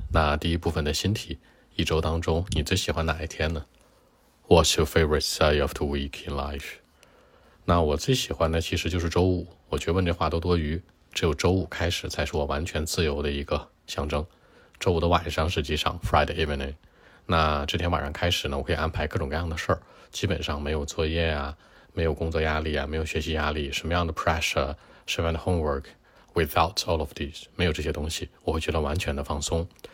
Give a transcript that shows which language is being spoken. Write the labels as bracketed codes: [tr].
[zh] 那第一部分的新题，一周当中你最喜欢哪一天呢？ [en] What's your favorite day of the week in life? [zh] 那我最喜欢的其实就是周五，我觉得问这话都多余，只有周五开始才是我完全自由的一个象征。周五的晚上实际上 [en] Friday evening， [zh] 那这天晚上开始呢，我可以安排各种各样的事儿，基本上没有作业啊，没有工作压力啊，没有学习压力，什么样的 pressure， 什么样的 homework， [en] Without all of these， [zh] 没有这些东西，我会觉得完全的放松。